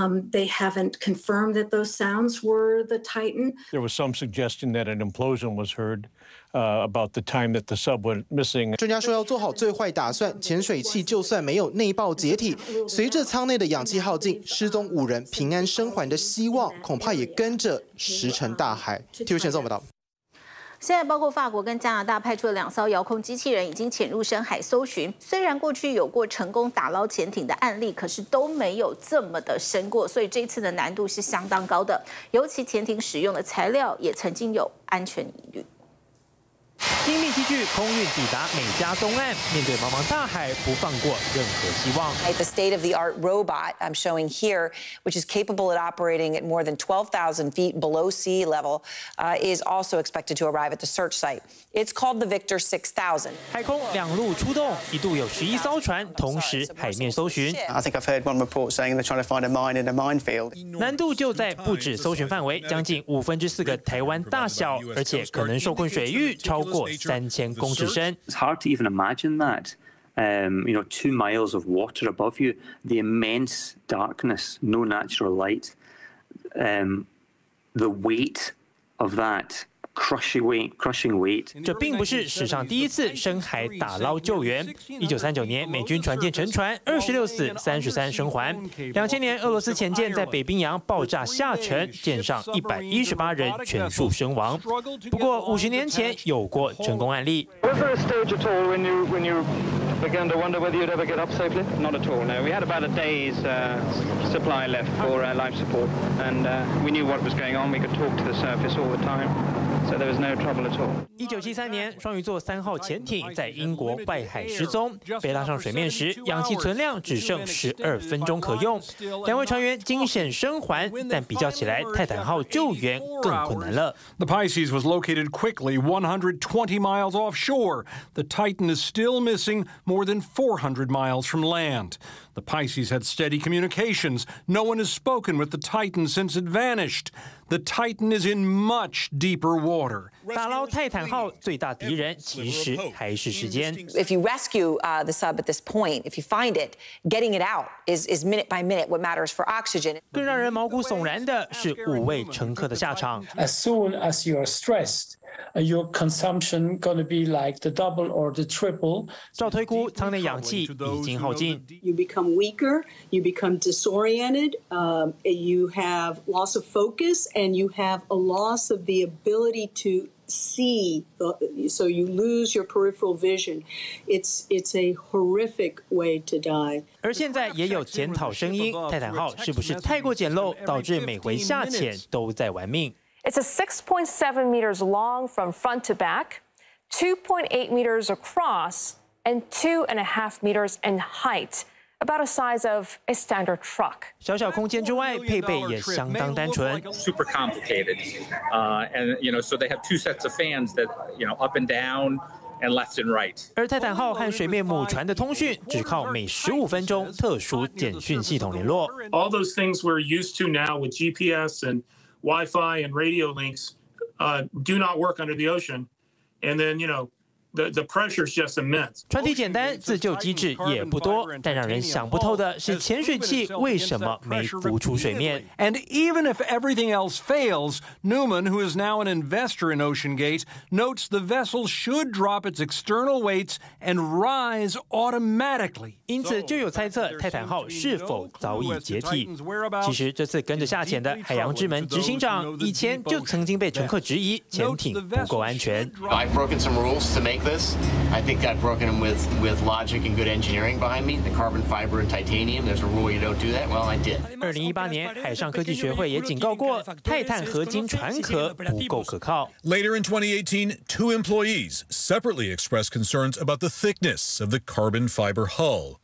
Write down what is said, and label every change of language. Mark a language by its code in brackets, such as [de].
[en] They haven't confirmed that those sounds were the Titan. There was some suggestion that an implosion was heard about the time that the sub went missing. [zh] 专家说要做好最坏打算，潜水器就算没有内爆解体，随着舱内的氧气耗尽，失踪五人平安生还的希望恐怕也跟着石沉大海。 TVBS新闻报道。现在包括法国跟加拿大派出的2艘遥控机器人已经潜入深海搜寻，虽然过去有过成功打捞潜艇的案例，可是都没有这么的深过，所以这次的难度是相当高的，尤其潜艇使用的材料也曾经有安全疑虑。精密机具空运抵达美加东岸，面对茫茫大海，不放过任何希望。 [en] The state of the art robot I'm showing here, which is capable of operating at more than 12,000 feet below sea level, is also expected to arrive at the search site. It's called the Victor 6000. [zh] 海空两路出动，一度有11艘船同时海面搜寻。 [en] I think I've heard one report saying they're trying to find a mine in a minefield. [zh] 难度就在不止搜寻范围，将近1/4个台湾大小，而且可能受困水域超过3000公尺深。 [en] It's hard to even imagine that. You know, 2 miles of water above you, the immense darkness, no natural light, the weight of that. Crushing weight. [zh] 这并不是史上第一次深海打捞救援。 1939年，美军船舰沉船，26死33生还。 2000年，俄罗斯潜舰在北冰洋爆炸下沉，舰上118人全数身亡。不过50年前有过成功案例。 [en] Was there a stage at all when you began to wonder whether you'd ever get up safely? Not at all. No, we had about a day's supply left for life support, and we knew what was going on. We could talk to the surface all the time. [zh] 1973年，双鱼座3号潜艇在英国外海失踪，被拉上水面时，氧气存量只剩12分钟可用。两位船员惊险生还，但比较起来，泰坦号救援更困难了。 [en] The Pisces was located quickly, 120 miles offshore. The Titan is still missing, more than 400 miles from land. The Pisces had steady communications. No one has spoken with the Titan since it vanished. The Titan is in much deeper water. [zh] 打捞泰坦号最大敌人其实还是时间。 [en] If you rescue the sub at this point, if you find it, getting it out is minute by minute what matters for oxygen. [zh] 更让人毛骨悚然的是五位乘客的下场。 [en] As soon as you are stressed, your consumption going to be like the double or the triple. [zh] 照推估，舱内氧气已经耗尽。 [en] You become weaker, you become disoriented, you have loss of focus. And you have a loss of the ability to see, so you lose your peripheral vision. It's a horrific way to die. [zh] 而现在也有检讨声音，泰坦号是不是太过简陋，导致每回下潜都在玩命 [en] ？It's a 6.7 meters long from front to back, 2.8 meters across, and 2.5 meters in height. About a size of a standard truck. [zh] 小小空间之外，配备也相当单纯。 [en] Super complicated, and you know, so they have two sets of fans that you know up and down and left and right. [zh] 而泰坦号和水面母船的通讯只靠每15分钟特殊简讯系统联络。 [en] All those things we're used to now with GPS and Wi-Fi and radio links, do not work under the ocean, and then you know. The pressure is just immense. [zh] 船体简单，自救机制也不多，但让人想不透的是潜水器为什么没浮出水面。 [en] And even if everything else fails, Newman, who is now an investor in OceanGate, notes the vessel should drop its external weights and rise automatically. [zh] 因此就有猜测泰坦号是否早已解体。其实这次跟着下潜的海洋之门执行长以前就曾经被乘客质疑潜艇不够安全。 [en] I've broken some rules to make this. I think I've broken them with logic and good engineering behind me. The carbon fiber and titanium, there's a rule you don't do that. Well, I did. [zh] 2018年海上科技学会也警告过泰坦合金船壳不够可靠。 [en] Later in 2018, two employees separately expressed concerns about the thickness of the carbon fiber hull.